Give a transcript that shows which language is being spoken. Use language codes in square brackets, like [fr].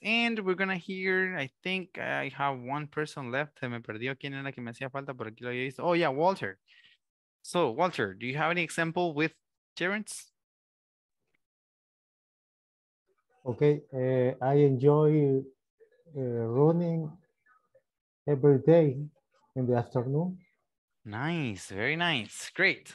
[en] And we're gonna hear, I think I have one person left. [es] Me perdió quién era que me hacía falta, pero aquí lo había visto. [en] Oh yeah, [es] Walter. [en] So Walter, do you have any example with gerunds? Okay, I enjoy running every day in the afternoon. Nice, very nice, great.